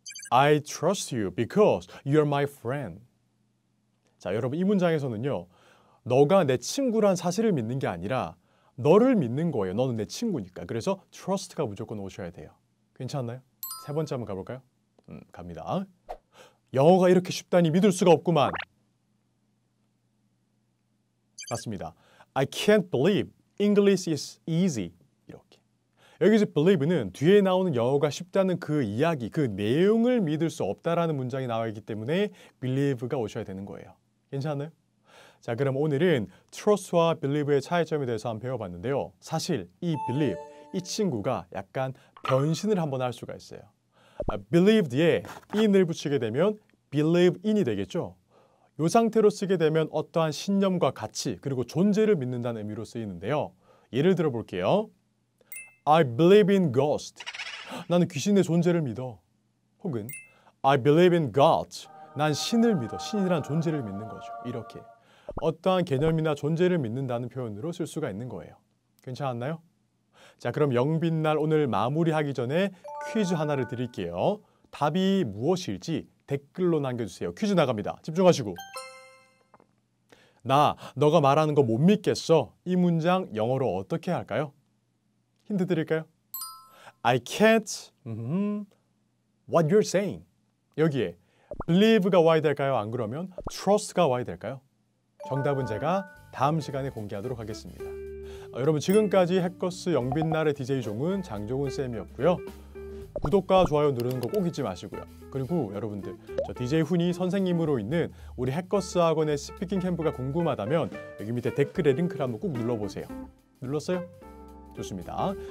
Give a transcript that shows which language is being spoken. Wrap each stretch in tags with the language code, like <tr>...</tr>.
<en>I trust you because you're my friend.</en> <ko>자, 여러분 이 문장에서는요, 너가 내 친구란 사실을 믿는 게 아니라 너를 믿는 거예요. 너는 내 친구니까. 그래서 trust가 무조건 오셔야 돼요. 괜찮나요? 세 번째 한번 가볼까요? 갑니다. 영어가 이렇게 쉽다니 믿을 수가 없구만. 맞습니다.</ko> <en>I can't believe English is easy.</en> <ko>여기서 believe는 뒤에 나오는 영어가 쉽다는 그 이야기, 그 내용을 믿을 수 없다라는 문장이 나와 있기 때문에 believe가 오셔야 되는 거예요. 괜찮아요? 자, 그럼 오늘은 trust와 believe의 차이점에 대해서 한번 배워봤는데요. 사실 이 believe, 이 친구가 약간 변신을 한번 할 수가 있어요. believed에 in을 붙이게 되면 believe in이 되겠죠? 이 상태로 쓰게 되면 어떠한 신념과 가치, 그리고 존재를 믿는다는 의미로 쓰이는데요. 예를 들어볼게요.</ko> <en>I believe in ghost.</en> <ko>나는 귀신의 존재를 믿어.</ko> <en>혹은 I believe in God.</en> <ko>난 신을 믿어. 신이란 존재를 믿는 거죠. 이렇게 어떠한 개념이나 존재를 믿는다는 표현으로 쓸 수가 있는 거예요. 괜찮았나요? 자, 그럼 영빛날 오늘 마무리하기 전에 퀴즈 하나를 드릴게요. 답이 무엇일지 댓글로 남겨주세요. 퀴즈 나갑니다. 집중하시고. 나, 너가 말하는 거 못 믿겠어. 이 문장 영어로 어떻게 할까요? 힌트 드릴까요?</ko> <en>I can't what you're saying.</en> <ko>여기에 believe가 와야 될까요? 안 그러면 trust가 와야 될까요? 정답은 제가 다음 시간에 공개하도록 하겠습니다. 여러분, 지금까지 해커스 영빛날의 DJ 종은 장종훈 쌤이었고요. 구독과 좋아요 누르는 거 꼭 잊지 마시고요. 그리고 여러분들, 저 DJ 훈이 선생님으로 있는 우리 해커스 학원의 스피킹 캠프가 궁금하다면 여기 밑에 댓글에 링크를 한번 꼭 눌러보세요. 눌렀어요? 좋습니다.</ko>